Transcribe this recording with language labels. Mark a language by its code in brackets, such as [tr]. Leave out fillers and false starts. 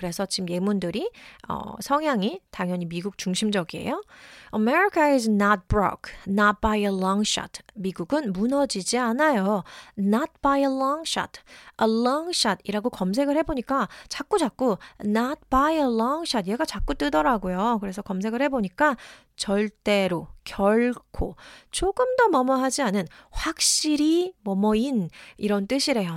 [ko] 그래서 지금 예문들이 성향이 당연히 미국 중심적이에요. [en] America is not broke, not by a long shot. [ko] 미국은 무너지지 않아요. [en] Not by a long shot. A long shot이라고 [ko] 검색을 해보니까 자꾸 [en] not by a long shot [ko] 얘가 자꾸 뜨더라고요. 그래서 검색을 해보니까 절대로, 결코, 조금도 뭐뭐하지 않은, 확실히 뭐뭐인 이런 뜻이래요.